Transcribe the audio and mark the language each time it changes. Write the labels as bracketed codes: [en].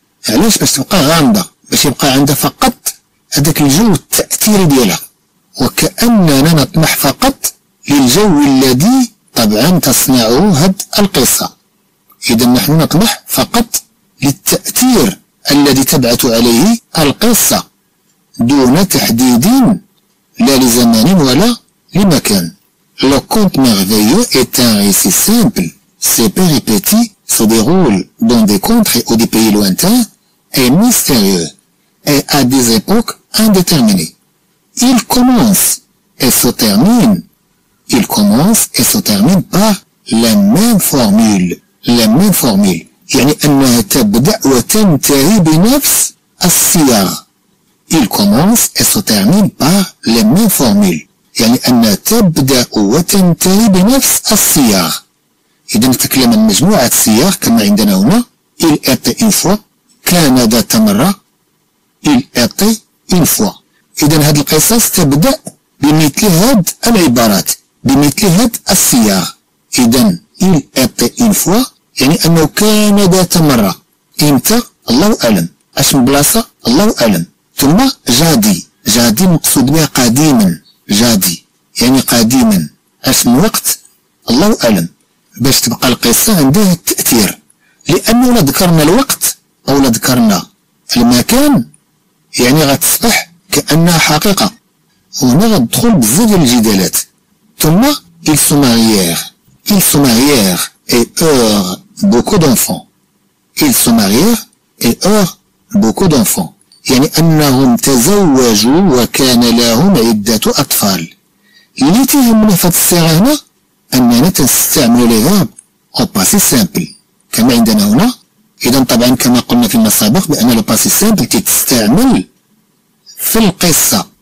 [ar] علاش؟ باش تبقى غامضة، باش يبقى عندها فقط هذاك الجو التأثيري ديالها، وكأننا نطمح فقط للجو الذي طبعا تصنعه هذه القصة. إذا نحن نطمح فقط للتأثير الذي تبعث عليه القصة دون تحديد لا لزمان ولا لمكان. [fr] لو كونت ميرفيو إت أن ريسي سامبل سي بيريبيتي se déroule dans des contrées ou des pays lointains et mystérieux et à des époques indéterminées. Il commence et se termine. Il commence et se termine par la même formule. La même formule. [ar] يعني أنها تبدأ وتنتهي بنفس السياق. [fr] Il commence et se termine par la même formule. [ar] يعني أنها تبدأ وتنتهي بنفس السياق. إذا نتكلم عن مجموعة سياق كما عندنا هنا، [fr] إل إيتي أون فوا، [ar] كان ذات مرة، إل إيتي أون فوا. إذا هذه القصص تبدأ بمثل هاد العبارات، بمثل هاد السياق. إذن [fr] il était une fois [ar] يعني أنه كان ذات مرة. إمتى؟ الله أعلم. أشم بلاصة؟ الله أعلم. ثم جادي، جادي مقصود بها قديما، جادي يعني قديما. أشم وقت؟ الله أعلم. باش تبقى القصة عندها التأثير، لأنه لا ذكرنا الوقت أو لا ذكرنا المكان يعني غتصبح كأنها حقيقة. هنا غتدخل بزاف ديال الجدالات. [fr] ثم ils sont mariés، ils sont mariés et eurent beaucoup d'enfants. ils sont mariés et eurent beaucoup d'enfants. [ar] يعني أنهم تزوجوا وكان لهم عدة أطفال. اللي تهمنا في هذه الصيغة هنا أننا تنستعمل [fr] لي فيرب أو باسي سامبل [ar] كما عندنا هنا. إذا طبعا كما قلنا فيما سابق بأن [fr] لو باسي سامبل [ar] تستعمل في القصة.